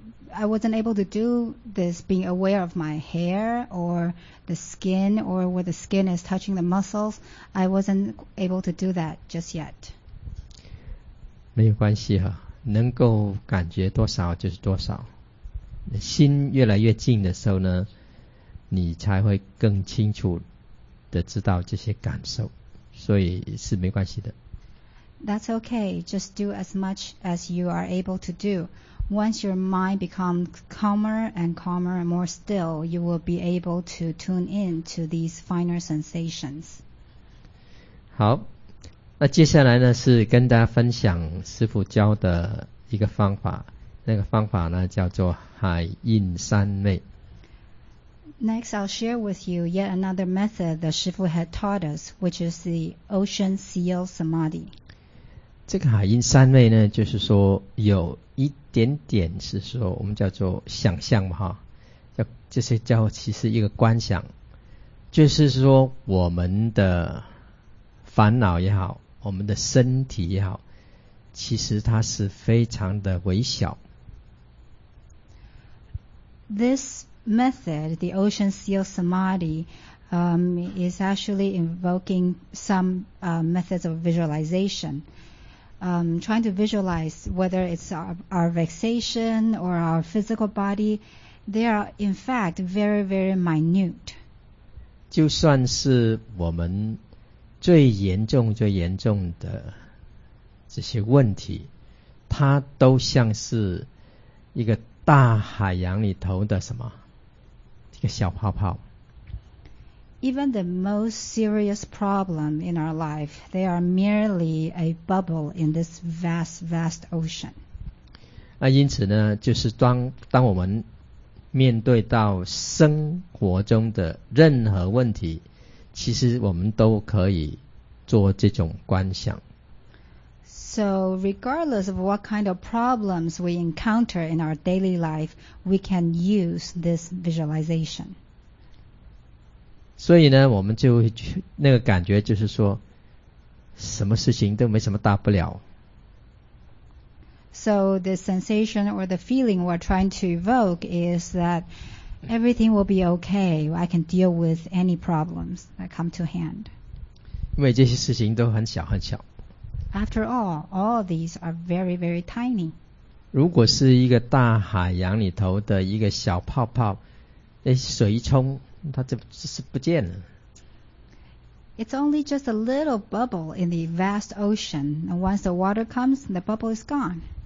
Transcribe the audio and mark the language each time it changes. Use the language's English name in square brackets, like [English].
[English] I wasn't able to do this being aware of my hair or the skin or where the skin is touching the muscles. I wasn't able to do that just yet. [Chinese] 没有关系哈，能够感觉多少就是多少。心越来越静的时候呢，你才会更清楚的知道这些感受，所以是没关系的。 [English] That's okay. Just do as much as you are able to do. Once your mind becomes calmer and calmer and more still, you will be able to tune in to these finer sensations. [Chinese] 好，那接下来呢是跟大家分享师父教的一个方法，那个方法呢叫做海印三昧。 [English] Next, I'll share with you yet another method that Shifu had taught us, which is the Ocean Seal Samadhi. [Chinese] 这个海印三昧呢，就是说有一点点是说我们叫做想象嘛，这些叫其实一个观想，就是说我们的烦恼也好，我们的身体也好，其实它是非常的微小。 [English] This method, the Ocean Seal Samadhi, is actually invoking some methods of visualization. Trying to visualize whether it's our vexation or our physical body, they are in fact very, very minute. [Chinese] 就算是我们最严重、最严重的这些问题，它都像是一个大海洋里头的什么？一个小泡泡。 [English] Even the most serious problem in our life, they are merely a bubble in this vast, vast ocean. [Chinese] 那因此呢，就是当我们面对到生活中的任何问题，其实我们都可以做这种观想。 [English] So regardless of what kind of problems we encounter in our daily life, we can use this visualization. [Chinese] 所以呢，我们就那个感觉就是说，什么事情都没什么大不了。 [English] So the sensation or the feeling we're trying to evoke is that everything will be okay. I can deal with any problems that come to hand. [Chinese] 因为这些事情都很小很小。 [English] After all these are very, very tiny. [Chinese] 如果是一个大海洋里头的一个小泡泡，水一冲，它就是不见了。 [English] It's only just a little bubble in the vast ocean, and once the water comes, the bubble is gone.